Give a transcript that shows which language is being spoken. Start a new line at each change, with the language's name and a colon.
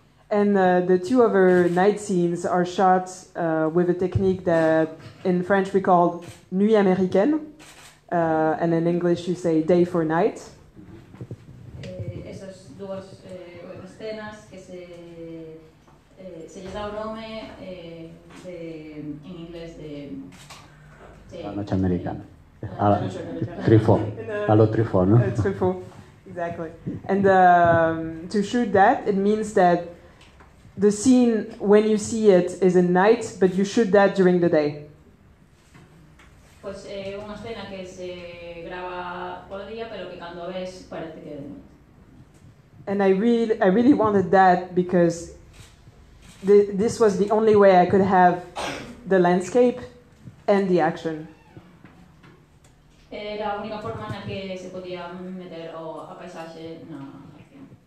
English: And the two other night scenes are shot with a technique that in French we call nuit américaine, and in English you say day for night.
Galician: Esas dúas escenas que se lle dá o nome en inglés de
Spanish: la noche americana. Trifo, ¿no?
English: Trifo, exactly. And to shoot that, it means that the scene, when you see it, is at night, but you shoot that during the day.
Spanish: Pues una escena que se graba por día, pero que cuando ves parece que es de noche.
English: And I really wanted that because this was the only way I could have the landscape and the action.
Galician: Era a única forma na que se podía meter a paisaxe na acción.